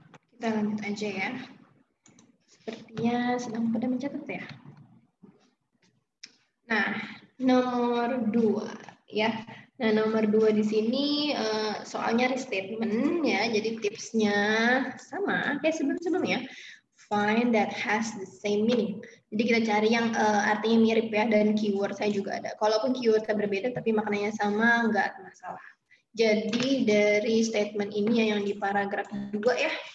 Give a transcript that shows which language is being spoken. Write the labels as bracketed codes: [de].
[id] Kita lanjut aja ya. Sepertinya sedang pada mencatat ya. Nah, nomor 2 ya. Nah, nomor 2 di sini soalnya restatement ya. Jadi tipsnya sama kayak sebelum-sebelumnya. [en] Find that has the same meaning. [id] Jadi kita cari yang artinya mirip ya dan keyword saya juga ada. Kalaupun keywordnya berbeda tapi maknanya sama enggak masalah. Jadi dari statement ini ya yang di paragraf 2 ya.